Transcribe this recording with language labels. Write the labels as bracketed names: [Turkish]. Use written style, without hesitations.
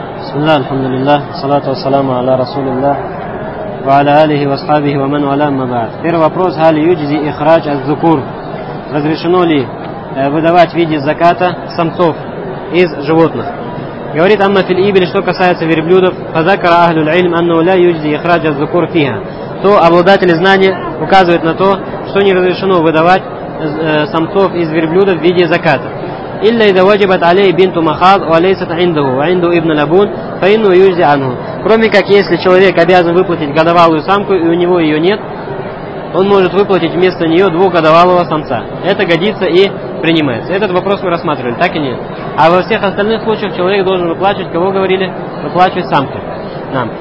[Arabic] بسم الله الحمد لله والصلاة والسلام على رسول الله وعلى آله وصحبه ومن والاه ما بعد. [Russian] Первый вопрос: [Arabic] هل يجزي إخراج الذكور؟ [Russian] Разрешено ли выдавать в виде заката самцов из животных? Говорит Амма фил Ибель, что касается верблюдов, [Arabic] فذكر أهل العلم أنه لا يجزي إخراج الذكور فيها. [Russian] То обладатели знания указывают на то, что не разрешено выдавать самцов из верблюдов в виде заката. [Arabic] إلا إذا وجبت عليه بنت محاض وليست عنده وعنده ابن لبون فإنه يجزي عنه. [Russian] Кроме как если человек обязан выплатить годовалую самку и у него ее нет, он может выплатить вместо нее двухгодовалого самца. Это годится и принимается. Этот вопрос мы рассматривали, так и нет. А во всех остальных случаях человек должен выплачивать, кого говорили, выплачивать самки. Нам.